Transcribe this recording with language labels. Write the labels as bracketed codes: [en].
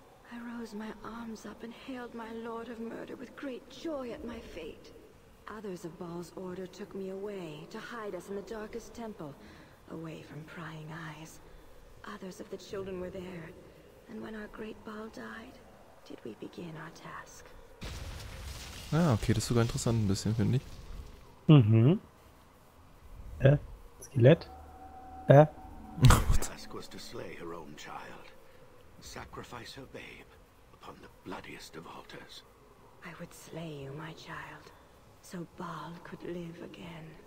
[en] I rose my arms up and hailed my lord of murder with great joy at my fate. Others of Baal's order took me away to hide us in the darkest temple, away from prying eyes. Others of the children were there, and when our great Baal died, did we begin our task. [de] Ah, okay, das ist sogar interessant ein bisschen, finde ich. Mhm. Skelett? [en] The task was to slay her own child, sacrifice her babe upon the bloodiest of altars. I would slay you, my child, so Baal could live again.